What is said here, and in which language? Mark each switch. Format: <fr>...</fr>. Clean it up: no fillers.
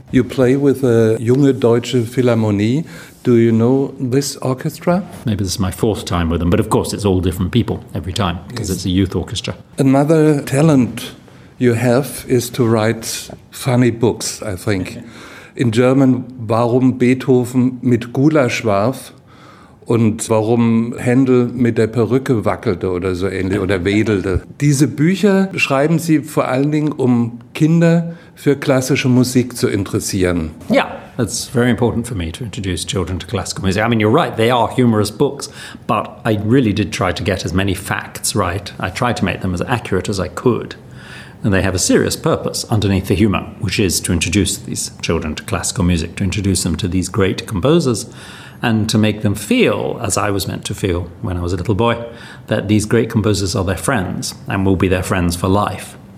<en>You play with a Junge Deutsche Philharmonie. Do you know this orchestra? Maybe this is my fourth time with them, but of course it's all different people every time because it's a youth orchestra. Another talent you have is to write funny books, I think. Okay. In German,</en> <de>warum Beethoven mit Gulasch warf und warum Händel mit der Perücke wackelte oder so ähnlich oder wedelte. Diese Bücher schreiben Sie vor allen Dingen, um Kinder für klassische Musik zu interessieren.</de> <en>Ja, that's very important for me to introduce children to classical music. I mean, you're right, they are humorous books, but I really did try to get as many facts right. I tried to make them as accurate as I could. And they have a serious purpose underneath the humor, which is to introduce these children to classical music, to introduce them to these great composers, and to make them feel, as I was meant to feel when I was a little boy, that these great composers are their friends and will be their friends for life.</en>